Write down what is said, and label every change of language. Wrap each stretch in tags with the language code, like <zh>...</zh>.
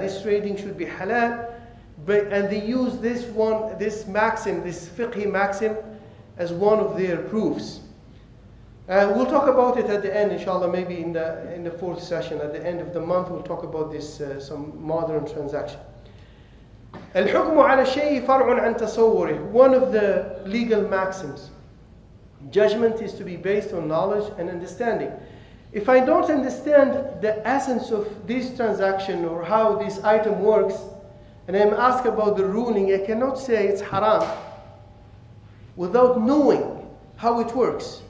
<en>This trading should be halal. But, and they use this one, this maxim, this fiqhi maxim, as one of their proofs. And we'll talk about it at the end, inshallah, maybe in the fourth session, at the end of the month, we'll talk about this, some modern transaction.</en> <ar>الحكم على شيء فرع عن تصوره.</ar> <en>One of the legal maxims. Judgment is to be based on knowledge and understanding. If I don't understand the essence of this transaction or how this item works, and I'm asked about the ruling, I cannot say it's haram without knowing how it works.</en>